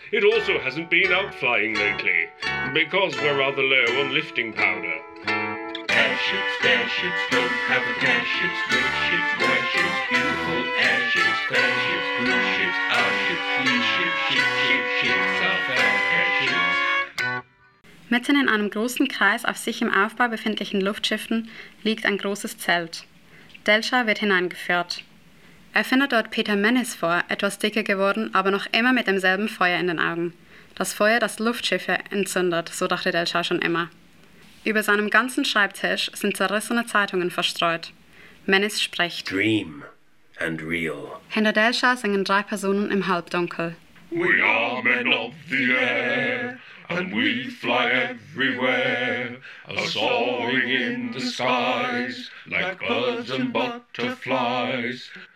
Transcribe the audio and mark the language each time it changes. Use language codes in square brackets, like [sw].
[en] It also hasn't been out flying lately, because we're rather low on lifting powder. Airships, fair ships, don't have a care ships, which ships, where ships, beautiful airships, fair ships, who ships, our ships, these ships, ships, are fair airships. [de] Mitten in einem großen Kreis auf sich im Aufbau befindlichen Luftschiffen liegt ein großes Zelt. Delsha wird hineingeführt. Er findet dort Peter Menes vor, etwas dicker geworden, aber noch immer mit demselben Feuer in den Augen. Das Feuer, das Luftschiffe entzündet, so dachte Delsha schon immer. Über seinem ganzen Schreibtisch sind zerrissene Zeitungen verstreut. Menes spricht. [en] Dream and real. [de] Hinter Delsha singen drei Personen im Halbdunkel. [en] We are men of the air. And we fly everywhere, a-soaring in the skies, like birds and butterflies.